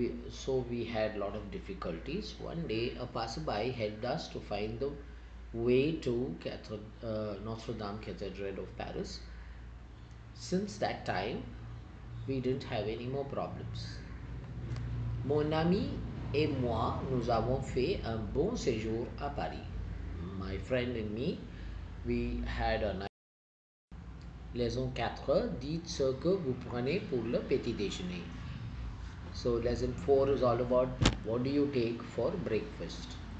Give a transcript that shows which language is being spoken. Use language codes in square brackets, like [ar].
[en] So we had a lot of difficulties. One day, a passerby helped us to find the way to Notre Dame Cathedral of Paris. Since that time, we didn't have any more problems. [fr] Mon ami et moi, nous avons fait un bon séjour à Paris. [en] My friend and me, we had a nice... Lesson 4, [fr] dites ce que vous prenez pour le petit déjeuner. [en] So, lesson 4 is all about what do you take for breakfast.